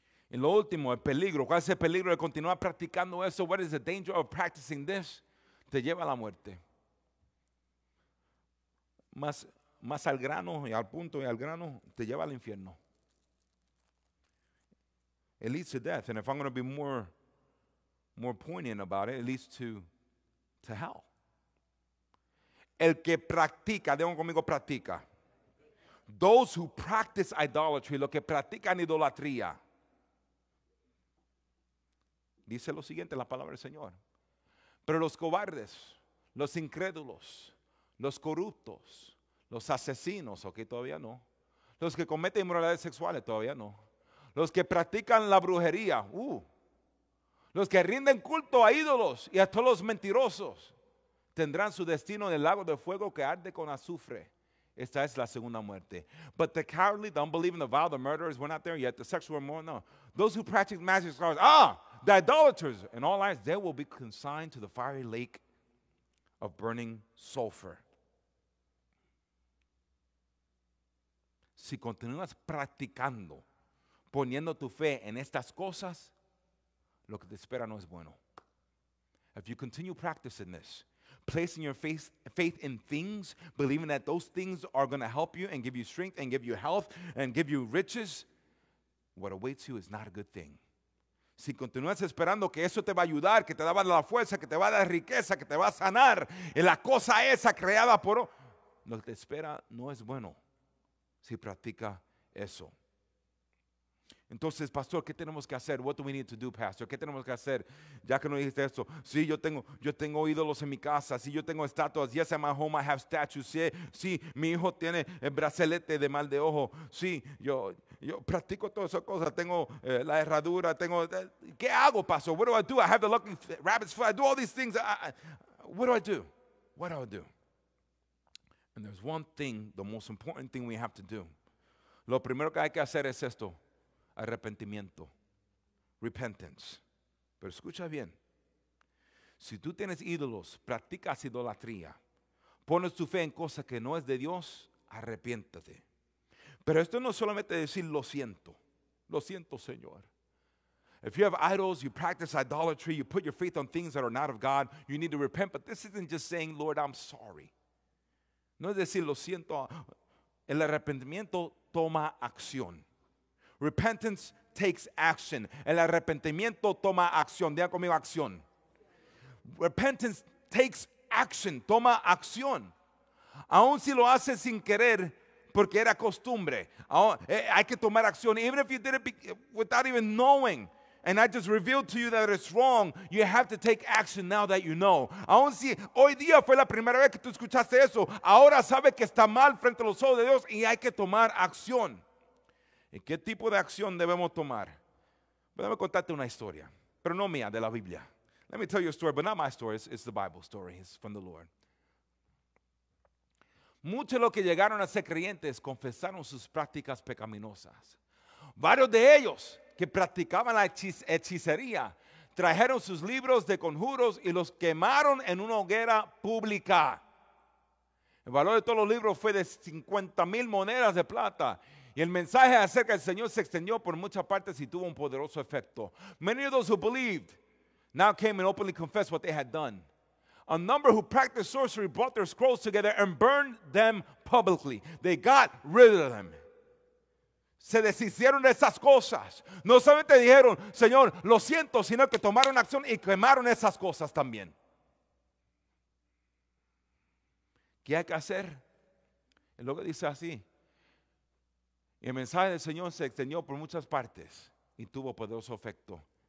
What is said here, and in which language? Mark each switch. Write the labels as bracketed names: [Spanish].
[Spanish] Y lo último, el peligro. ¿Cuál es el peligro de continuar practicando eso? [English] What is the danger of practicing this? [Spanish] Te lleva a la muerte. Más al grano y al punto y al grano, te lleva al infierno. [English] It leads to death. And if I'm going to be more poignant about it, it leads to hell. [Spanish] El que practica, digo conmigo, practica. [English] Those who practice idolatry, [Spanish] lo que practican idolatría. Dice lo siguiente, la palabra del Señor. Pero los cobardes, los incrédulos, los corruptos, los asesinos, ok, todavía no. Los que cometen inmoralidades sexuales, todavía no. Los que practican la brujería, los que rinden culto a ídolos y a todos los mentirosos, tendrán su destino en el lago de fuego que arde con azufre. Esta es la segunda muerte. [English] But the cowardly, the unbelieving, the vile, the murderers, we're not there yet. The sexual immoral, no. Those who practice magic scars, the idolaters and all lies, they will be consigned to the fiery lake of burning sulfur. [Spanish] Si continúas practicando, poniendo tu fe en estas cosas, lo que te espera no es bueno. [English] If you continue practicing this, placing your faith in things, believing that those things are going to help you and give you strength and give you health and give you riches, what awaits you is not a good thing. [Spanish] Si continúas esperando que eso te va a ayudar, que te va a dar la fuerza, que te va a dar riqueza, que te va a sanar, en la cosa esa creada por... Lo que te espera no es bueno si practica eso. Entonces, pastor, ¿qué tenemos que hacer? [English] What do we need to do, pastor? [Spanish] ¿Qué tenemos que hacer? Ya que no dijiste esto. Sí, yo tengo ídolos en mi casa. Sí, yo tengo estatuas. [English] Yes, in my home I have statues. [Spanish] Sí, mi hijo tiene el brazalete de mal de ojo. Sí, yo practico todas esas cosas. Tengo la herradura. Tengo ¿qué hago, pastor? [English] What do? I have the lucky rabbit's foot. I do all these things. What do I do? And there's one thing, the most important thing we have to do. [Spanish] Lo primero que hay que hacer es esto. Arrepentimiento, repentance. Pero escucha bien. Si tú tienes ídolos, practicas idolatría, pones tu fe en cosas que no es de Dios, arrepiéntate. Pero esto no es solamente decir lo siento, Señor. [English] If you have idols, you practice idolatry, you put your faith on things that are not of God, you need to repent. But this isn't just saying, Lord, I'm sorry. [Spanish] No es decir lo siento. El arrepentimiento toma acción. [English] Repentance takes action. [Spanish] El arrepentimiento toma acción. Diga conmigo, acción. [English] Repentance takes action. [Spanish] Toma acción. Aun si lo haces sin querer, porque era costumbre. Hay que tomar acción. [English] Even if you did it without even knowing, and I just revealed to you that it's wrong, you have to take action now that you know. [Spanish] Aun si hoy día fue la primera vez que tú escuchaste eso, ahora sabes que está mal frente a los ojos de Dios y hay que tomar acción. ¿Y qué tipo de acción debemos tomar? Déjame contarte una historia, pero no mía, de la Biblia. [English] Let me tell you a story, but not my story. It's the Bible story. It's from the Lord. [Spanish] Muchos de los que llegaron a ser creyentes confesaron sus prácticas pecaminosas. Varios de ellos que practicaban la hechicería trajeron sus libros de conjuros y los quemaron en una hoguera pública. El valor de todos los libros fue de 50,000 monedas de plata. Y el mensaje acerca del Señor se extendió por muchas partes y tuvo un poderoso efecto. [English] Many of those who believed now came and openly confessed what they had done. A number who practiced sorcery brought their scrolls together and burned them publicly. They got rid of them. [Spanish] Se deshicieron de esas cosas. No solamente dijeron, Señor, lo siento, sino que tomaron acción y quemaron esas cosas también. ¿Qué hay que hacer? Es lo que dice así. Y el mensaje del Señor se extendió por muchas partes y tuvo poderoso efecto.